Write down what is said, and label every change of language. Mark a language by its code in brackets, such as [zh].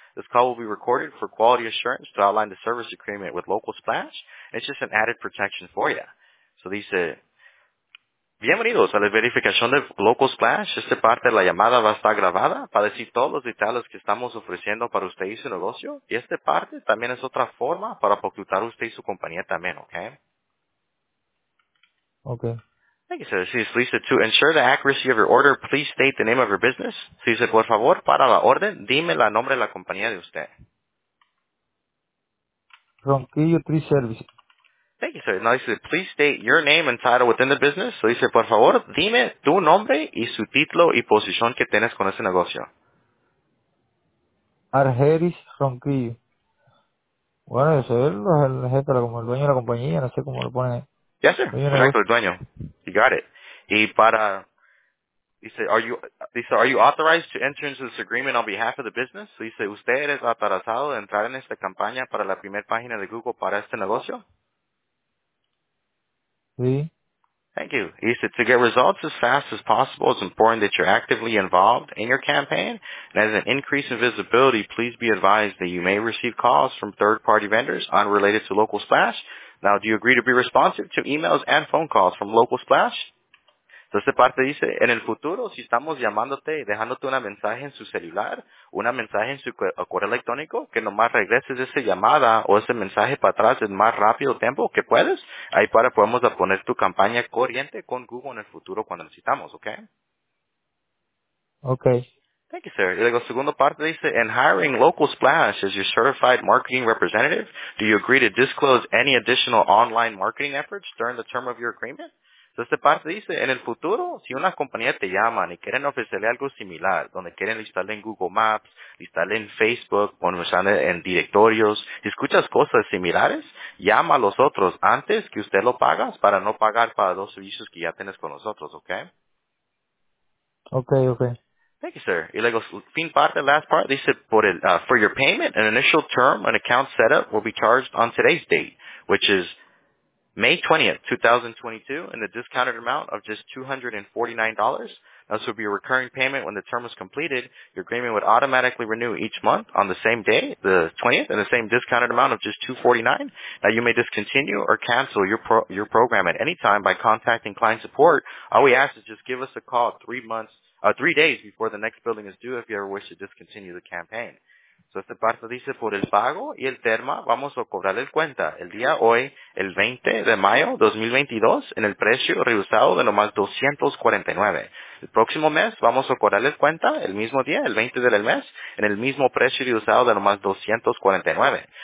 [en] This call will be recorded for quality assurance to outline the service agreement with Local Splash. It's just an added protection for you. So [es] dice, bienvenidos a la verificación de Local Splash. Esta parte de la llamada va a estar grabada para decir todos los detalles que estamos ofreciendo para usted y su negocio. Y esta parte también es otra forma para facultar usted y su compañía también, ¿ok? Ok. [en] Thank you, sir. [es] Si es listo, [en] to ensure the accuracy of your order, please state the name of your business. [es] Si dice, por favor, para la orden, dime el nombre de la compañía de usted. Ronquillo Tree Service. [en] Thank you, sir. Now he said, please state your name and title within the business. So he said, [es] por favor, dime tu nombre y su título y posición que tienes con ese negocio. Argeris Ronquillo. Bueno, yo soy el jefe, como el dueño de la compañía, no sé cómo lo pone. [en] Yes, sir. [es] Correcto, el dueño. [en] You got it. [es] Y para, [en] he said, are you authorized to enter into this agreement on behalf of the business? So he said, [es] ¿usted es autorizado de entrar en esta campaña para la primera página de Google para este negocio? [en] Thank you. He said, to get results as fast as possible, it's important that you're actively involved in your campaign. And as an increase in visibility, please be advised that you may receive calls from third-party vendors unrelated to Local Splash. Now, do you agree to be responsive to emails and phone calls from Local Splash? [es] Entonces, parte dice, en el futuro, si estamos llamándote y dejándote una mensaje en su celular, una mensaje en su correo electrónico, que nomás regreses esa llamada o ese mensaje para atrás en más rápido tiempo que puedes, ahí para podemos poner tu campaña corriente con Google en el futuro cuando necesitamos, ¿ok? Ok. [en] Thank you, sir. [es] Y luego, segunda parte dice, [en] in hiring Local Splash as your certified marketing representative, do you agree to disclose any additional online marketing efforts during the term of your agreement? [es] Entonces, esta parte dice, en el futuro, si una compañía te llama y quieren ofrecerle algo similar, donde quieren instalarle en Google Maps, instalarle en Facebook, o en directorios, si escuchas cosas similares, llama a los otros antes que usted lo pagas para no pagar para dos servicios que ya tienes con nosotros, ¿ok? Ok, ok. [en] Thank you, sir. [es] Y luego, fin parte, [en] last part, [es] dice, [en] for your payment, an initial term, an account setup will be charged on today's date, which is May 20th, 2022, in the discounted amount of just $249. This will be a recurring payment when the term is completed. Your agreement would automatically renew each month on the same day, the 20th, in the same discounted amount of just $249. Now, you may discontinue or cancel your program at any time by contacting client support. All we ask is just give us a call 3 days before the next billing is due if you ever wish to discontinue the campaign. [es] So, esta parte dice, por el pago y el termo, vamos a cobrar el cuenta el día hoy, el 20 de mayo 2022, en el precio reducido de nomás $249. El próximo mes, vamos a cobrar el cuenta el mismo día, el 20 del mes, en el mismo precio reducido de nomás $249.